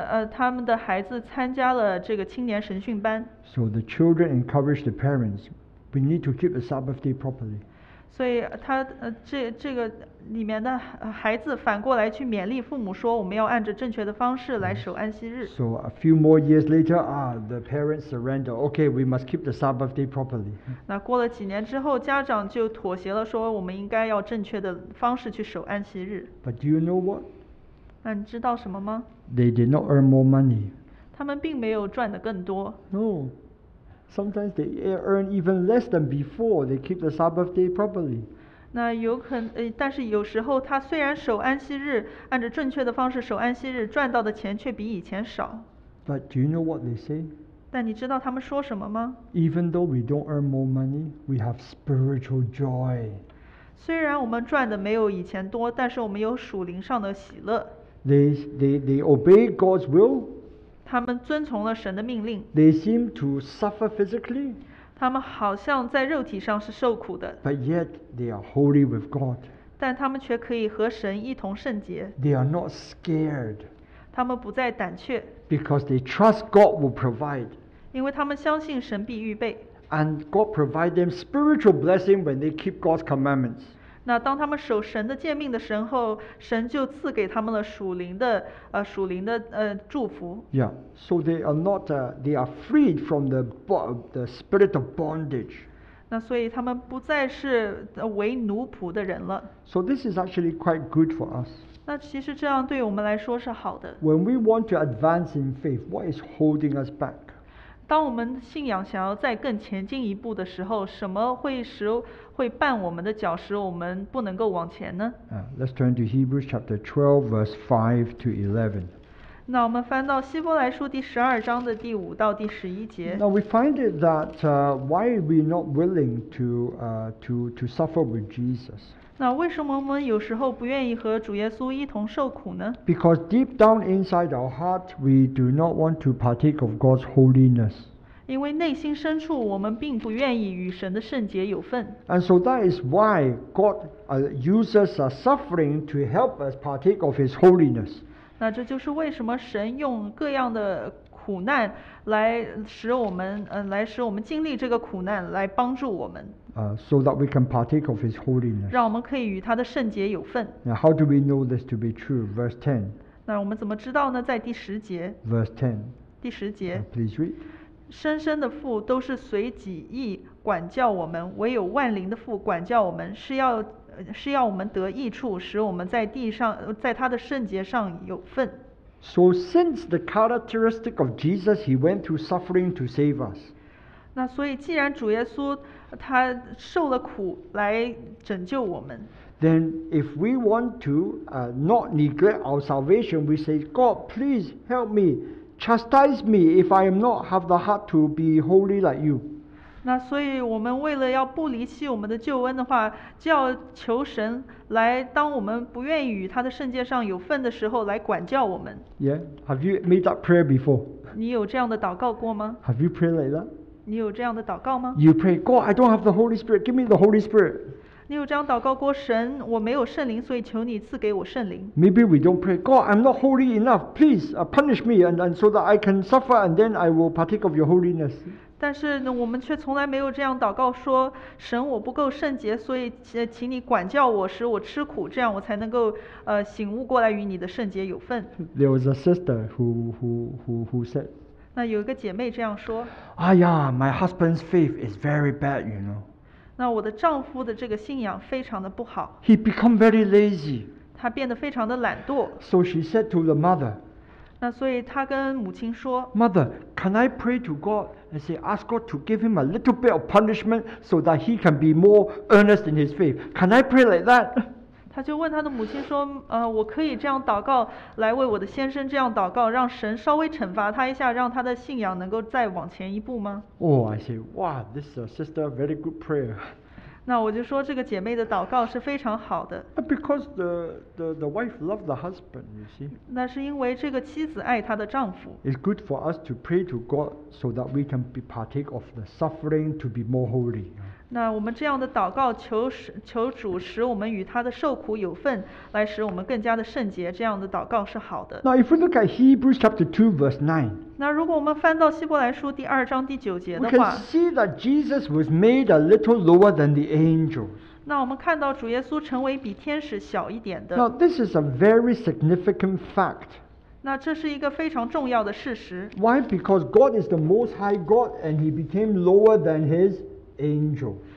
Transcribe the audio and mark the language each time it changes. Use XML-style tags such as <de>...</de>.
<zh>他们的孩子参加了这个青年神训班。</zh> <en>So the children encourage the parents, we need to keep the Sabbath day properly.</en> <zh>所以这个里面的孩子反过来去勉励父母说，我们要按着正确的方式来守安息日。</zh> <en>So a few more years later, the parents surrender. Okay, we must keep the Sabbath day properly.</en> <zh>那过了几年之后，家长就妥协了，说我们应该要正确的方式去守安息日。</zh> <en>But do you know what?</en> <zh>那你知道什么吗？</zh> <en>They did not earn more money.</en> <zh>他们并没有赚得更多。</zh> <en>No, sometimes they earn even less than before. They keep the Sabbath day properly.</en> <zh>那有可能，但是有时候他虽然守安息日，按着正确的方式守安息日，赚到的钱却比以前少。</zh> <en>But do you know what they say?</en> <zh>但你知道他们说什么吗？</zh> <en>Even though we don't earn more money, we have spiritual joy.</en> <zh>虽然我们赚的没有以前多，但是我们有属灵上的喜乐。</zh> <en>They obey God's will.</en> <zh>他们遵从了神的命令。</zh> <en>They seem to suffer physically.</en> <zh>他们好像在肉体上是受苦的，</zh> <en>But yet they are holy with God.</en> <zh>但他们却可以和神一同圣洁。</zh> <en>They are not scared.</en> <zh>他们不再胆怯。</zh> <en>Because they trust God will provide.</en> <zh>因为他们相信神必预备。</zh> <en>And God provide them spiritual blessing when they keep God's commandments.</en> <zh>那当他们守神的诫命的时候，神就赐给他们了属灵的祝福。</zh> <en>Yeah, so they are not they are freed from the spirit of bondage.</en> <zh>那所以他们不再是为奴仆的人了。</zh> <en>So this is actually quite good for us.</en> <zh>那其实这样对我们来说是好的。</zh> <en>When we want to advance in faith, what is holding us back?</en> <zh>当我们信仰想要再更前进一步的时候，什么会绊我们的脚，使我们不能够往前呢？</zh> <en>Let's turn to Hebrews chapter 12, verse 5 to 11.</en> <zh>那我们翻到希伯来书第十二章的第五到第十一节。</zh> <en>Now we find it that why are we not willing to suffer with Jesus?</en> <zh>那为什么我们有时候不愿意和主耶稣一同受苦呢？</zh> <en>Because deep down inside our heart, we do not want to partake of God's holiness.</en> <zh>因为内心深处我们并不愿意与神的圣洁有份。</zh> <en>And so that is why God uses suffering to help us partake of his holiness.</en> <zh>那这就是为什么神用各样的苦难来使我们经历这个苦难，来帮助我们。</zh> <en>So that we can partake of his holiness.</en> <zh>让我们可以与他的圣洁有份。</zh> <en>Now how do we know this to be true? Verse 10.</en> <zh>那我们怎么知道呢？在第十节。</zh> <en>Verse 10.</en> <zh>第十节。</zh> <en>Please read.</en> <zh>深深的父都是随己意管教我们，唯有万灵的父管教我们，是要我们得益处，使我们在地上，在他的圣洁上有份。</zh> <en>So since the characteristic of Jesus, he went through suffering to save us.</en> <zh>那所以既然主耶稣他受了苦来拯救我们。</zh> <en>Then if we want to not neglect our salvation, we say, God, please help me, chastise me if I am not have the heart to be holy like you.</en> <zh>那所以我们为了要不离弃我们的救恩的话，就要求神来，当我们不愿意与他的圣洁上有份的时候，来管教我们。</zh> <en>Yeah, have you made that prayer before?</en> <zh>你有这样的祷告过吗？</zh> <en>Have you prayed like that?</en> <zh>你有这样的祷告吗？</zh> <en>You pray, God, I don't have the Holy Spirit, give me the Holy Spirit.</en> <zh>你有这样祷告过，神，我没有圣灵，所以求你赐给我圣灵。</zh> <en>Maybe we don't pray, God, I'm not holy enough, please punish me and so that I can suffer and then I will partake of your holiness.</en> <zh>但是呢，我们却从来没有这样祷告说，神，我不够圣洁，所以请你管教我，使我吃苦，这样我才能够醒悟过来与你的圣洁有份。</zh> <en>There was a sister who said,</en> <zh>那有一个姐妹这样说，哎呀，</zh> <en>my husband's faith is very bad, you know.</en> <zh>那我的丈夫的这个信仰非常的不好。</zh> <en>He become very lazy.</en> <zh>他变得非常的懒惰。</zh> <en>So she said to the mother.</en> <zh>那所以他跟母亲说。</zh> <en>Mother, can I pray to God and say, ask God to give him a little bit of punishment so that he can be more earnest in his faith? Can I pray like that?</en> <zh>他就问他的母亲说，我可以这样祷告，来为我的先生这样祷告，让神稍微惩罚他一下，让他的信仰能够再往前一步吗？</zh> <en>Oh, I say, wow, this is a sister, very good prayer.</en> <zh>那我就说这个姐妹的祷告是非常好的。</zh> <en>Because the wife loved the husband, you see.</en> <zh>那是因为这个妻子爱她的丈夫。</zh> <en>It's good for us to pray to God so that we can be partake of the suffering to be more holy.</en> <zh>那我们这样的祷告 求主使我们与他的受苦有份，来使我们更加的圣洁，这样的祷告是好的。</zh> <en>Now if we look at Hebrews chapter 2 verse 9,</en> <zh>那如果我们翻到希伯来书第二章第九节的话，</zh> <en>we can see that Jesus was made a little lower than the angels.</en> <zh>那我们看到主耶稣成为比天使小一点的。</zh> <en>Now this is a very significant fact.</en> <zh>那这是一个非常重要的事实。</zh> <en>Why? Because God is the most high God and he became lower than his angel.</en>